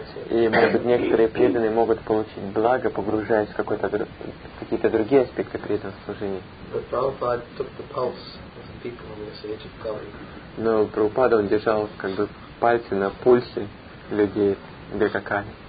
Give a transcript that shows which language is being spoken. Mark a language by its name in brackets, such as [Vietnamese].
[Russian] И, может быть, некоторые преданные могут получить благо, погружаясь в какие-то другие аспекты преданного служения. [English] But Prabhupada took the pulse of the people in this age of Kali. [Russian] Но Прабхупада он держал как бы пальцы на пульсе людей Декакали.